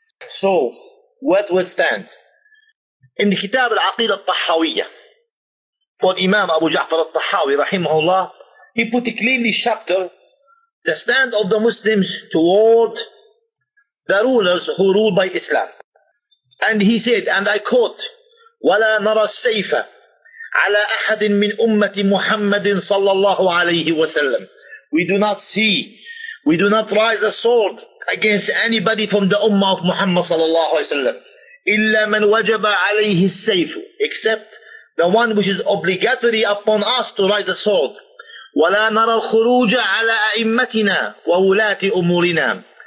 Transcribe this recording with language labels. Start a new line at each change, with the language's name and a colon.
English: So, what would stand? In the Kitab al-Aqidah al-Tahawiyyah, for Imam Abu Ja'far al-Tahawi, rahimahullah, he put a clearly chapter, the stand of the Muslims toward the rulers who rule by Islam. And he said, and I quote,
Arabic: وَلَا نَرَى السَّيْفَ عَلَىٰ أَحَدٍ مِّنْ أُمَّةِ مُحَمَّدٍ صَلَّى اللَّهُ عَلَيْهِ وَسَلَّمْ.
English: We do not see, we do not rise a sword against anybody from the Ummah of Muhammad
Arabic: صلى الله عليه وسلم. إِلَّا مَنْ وَجَبَ عَلَيْهِ السَّيْفُ.
English: Except the one which is obligatory upon us to rise a sword.
Arabic: وَلَا نَرَى الْخُرُوجَ عَلَىٰ أَئِمَّتِنَا وَوُلَاتِ أُمُورِنَا.